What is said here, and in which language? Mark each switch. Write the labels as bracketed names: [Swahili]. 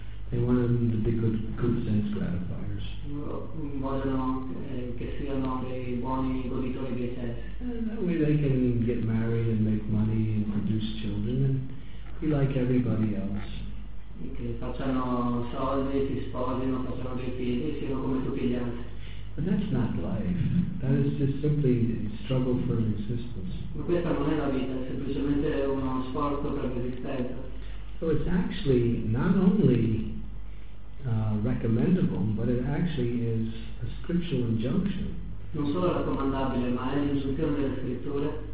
[English] They want them to be good sense gratifiers. That way they can get married and make money and produce children and be like everybody else. But that's not life. That is just simply a struggle for existence. [Italian] Ma questa non è la vita, è semplicemente uno sforzo per l'esistenza. [English] So it's actually not only recommendable, but it actually is a scriptural injunction. [Italian] Non solo raccomandabile, ma è l'ingiunzione delle scritture.